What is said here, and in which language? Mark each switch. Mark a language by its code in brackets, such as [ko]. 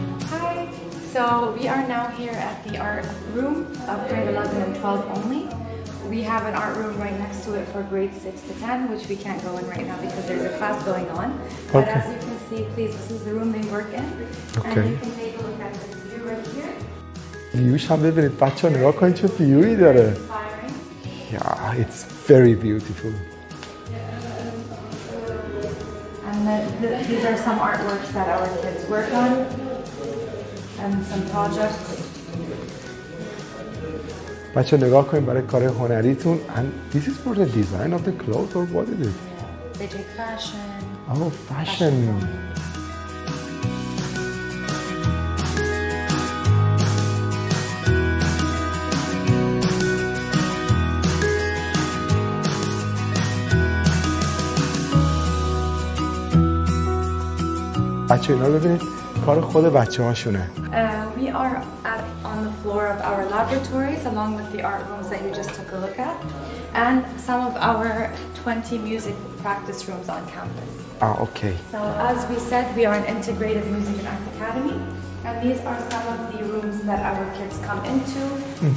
[en] Hi, so we are now here at the art room of grade 11 and 12 only. We have an art room right next to it for grade 6 to 10, which we can't go in right now because there's a class going on. Okay. But as you can see, please, this is the room they work in. Okay. And you can take a look at this view right here. [fa] ویوش هم ببینید بچه ها نگاه کنید چه ویوی داره [en] yeah, it's very beautiful. And these are some artworks that our kids work on and some projects. [fa] بچه ها نگاه کنید برای کار هنریتون [en] and this is for the design of the clothes or what is it? They take fashion. Oh, fashion. [fa] بچه اینا رو ببینید کار خود بچه هاشونه [en] We are at, on the floor of our laboratories along with the art rooms that you just took a look at and some of our 20 music practice rooms on campus. Ah, okay. So as we said, we are an integrated music and art academy and these are some of the rooms that our kids come into mm-hmm.